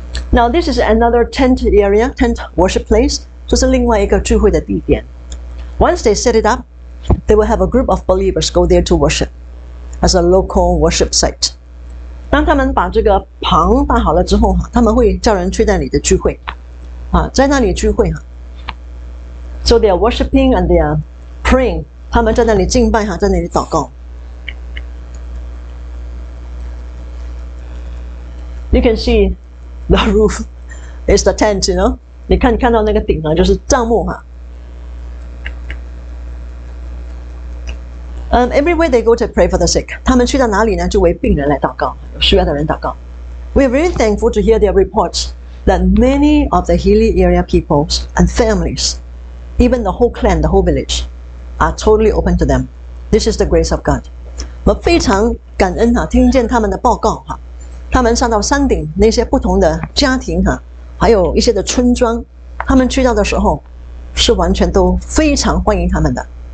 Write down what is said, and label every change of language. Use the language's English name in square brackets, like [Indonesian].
[English] Now this is another tent area, tent worship place. [Chinese] 这是另外一个聚会的地点. [English] Once they set it up, they will have a group of believers go there to worship as a local worship site. [Chinese] 当他们把这个棚搭好了之后，他们会叫人去那里的聚会，在那里聚会。 [English] So they are worshiping and they are praying. [Chinese] 他们在那里敬拜，在那里祷告。 [English] You can see the roof is the tent, you know. [Chinese] 你看到那个顶啊，就是帐幕哈。 [English] Everywhere they go to pray for the sick. [Chinese] 他们去到哪里呢？就为病人来祷告，有需要的人祷告。 [English] We're very thankful to hear their reports that many of the hilly area peoples and families, even the whole clan, the whole village, are totally open to them. This is the grace of God. [Chinese] 我非常感恩听见他们的报告。他们上到山顶，那些不同的家庭，还有一些的村庄，他们去到的时候，是完全都非常欢迎他们的。